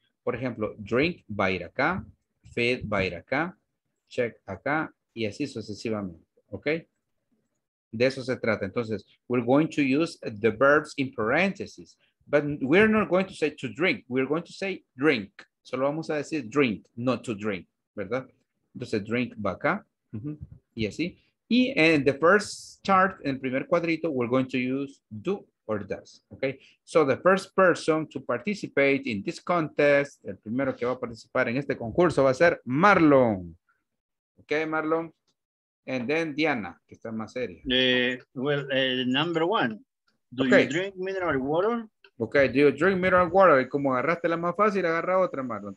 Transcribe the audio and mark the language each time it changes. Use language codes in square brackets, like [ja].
[es] Por ejemplo, drink va a ir acá, feed va a ir acá, check acá, y así sucesivamente. Ok. De eso se trata. [en] Entonces, we're going to use the verbs in parentheses. But we're not going to say to drink. We're going to say drink. [es] Solo vamos a decir drink, [en] not to drink. ¿Verdad? [es] Entonces, drink va acá. Uh-huh. Y así. Y en [en] the first chart, [es] en el primer cuadrito, [en] we're going to use do or does. [es] Okay? [en] So, the first person to participate in this contest, [es] el primero que va a participar en este concurso [en] va a ser Marlon. Okay, Marlon. And then Diana, [es] que está más seria. [en] Number one, do okay. you drink mineral water? Ok, do you drink mineral water? [es] Y como agarraste la más fácil, agarra otra, mano.